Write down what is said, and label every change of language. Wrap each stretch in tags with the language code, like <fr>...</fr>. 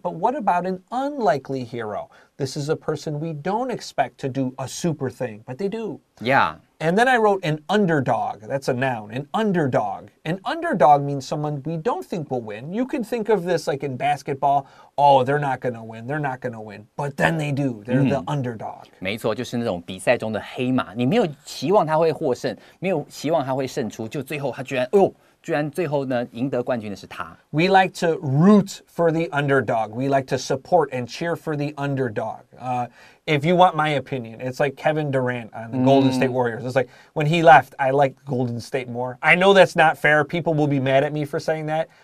<en>But what about an unlikely hero? This is a person we don't expect to do a super thing, but they do. Yeah. And then I wrote an underdog. That's a noun, an underdog. An underdog means someone we don't think will win. You can think of this like in basketball. Oh, they're not going to win. They're not going to win. But then they do. They're the underdog.</en> <zh>没错，就是那种比赛中的黑马。你没有期望他会获胜，没有期望他会胜出，就最后他居然，哎呦！居然最后呢，赢得冠军的是他。</zh> <en>We like to root for the underdog. We like to support and cheer for the underdog. If you want my opinion, it's like Kevin Durant on the Golden State Warriors. It's like when he left, I liked Golden State more. I know that's not fair. People will be mad at me for saying that.</en>